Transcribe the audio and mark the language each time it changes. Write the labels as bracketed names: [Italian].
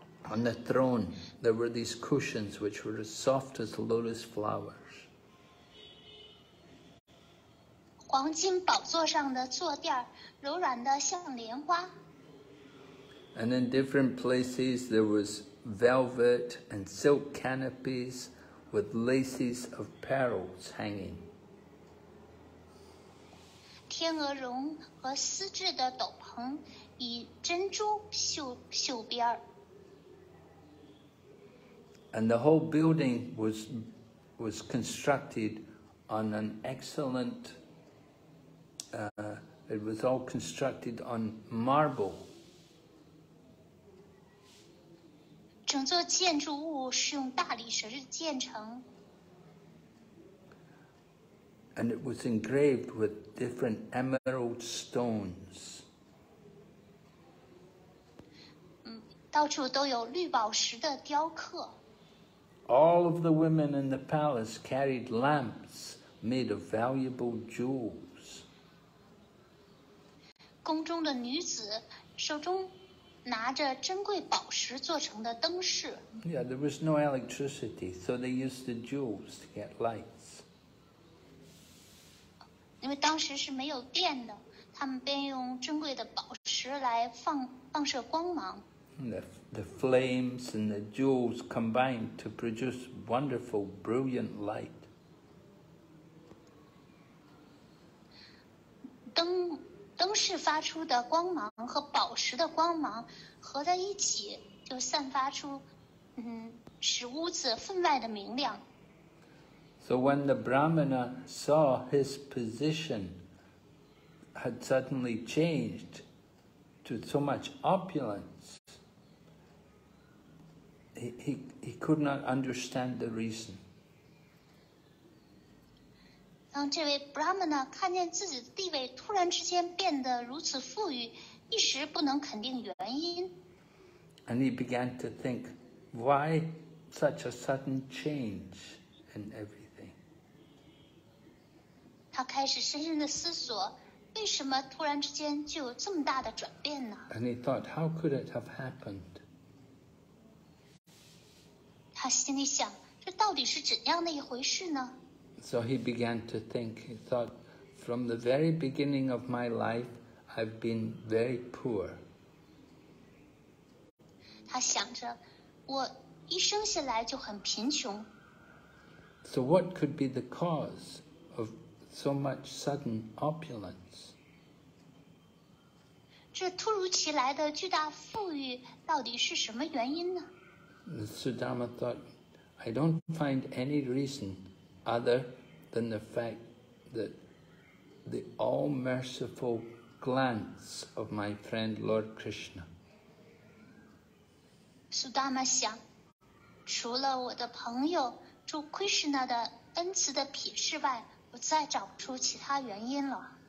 [English] On the throne, there were these cushions which were as soft as lotus flowers. [Chinese] 黄金宝座上的坐垫柔软的像莲花。 [English] And in different places, there was velvet and silk canopies with laces of pearls hanging. [Chinese] 天鹅绒和丝质的斗篷以珍珠绣边儿。 [English] And the whole building was constructed on an excellent, it was all constructed on marble. [Chinese] 整座建筑物是用大理石建成。 [English] And it was engraved with different emerald stones. [Chinese] 到处都有绿宝石的雕刻。 [English] All of the women in the palace carried lamps made of valuable jewels. [Chinese] 宫中的女子手中拿着珍贵宝石做成的灯饰。 [English] Yeah, there was no electricity, so they used the jewels to get lights. [Chinese] 因为当时是没有电的，他们便用珍贵的宝石来放射光芒。 [English] The flames and the jewels combined to produce wonderful, brilliant light. [Chinese] 灯饰发出的光芒和宝石的光芒合在一起，就散发出，使屋子分外的明亮。 [English] So when the Brahmana saw his position had suddenly changed to so much opulence, he could not understand the reason. [Chinese] 当这位 Brahmana 看见自己的地位突然之间变得如此富裕，一时不能肯定原因。 [English] And he began to think, why such a sudden change in everything? [Chinese] 他开始深深的思索，为什么突然之间就有这么大的转变呢？ [English] And he thought, how could it have happened? [Chinese] 他心里想，这到底是怎样的一回事呢？ [English] So he began to think, he thought, from the very beginning of my life, I've been very poor. [Chinese] 他想着，我一生下来就很贫穷。 [English] So what could be the cause of so much sudden opulence? [Chinese] 这突如其来的巨大富裕到底是什么原因呢？ [English] Sudama thought, I don't find any reason other than the fact that the all-merciful glance of my friend Lord Krishna. [Chinese] Sudama 想，除了我的朋友主 Krishna 的恩慈的瞥视外，我再找不出其他原因了。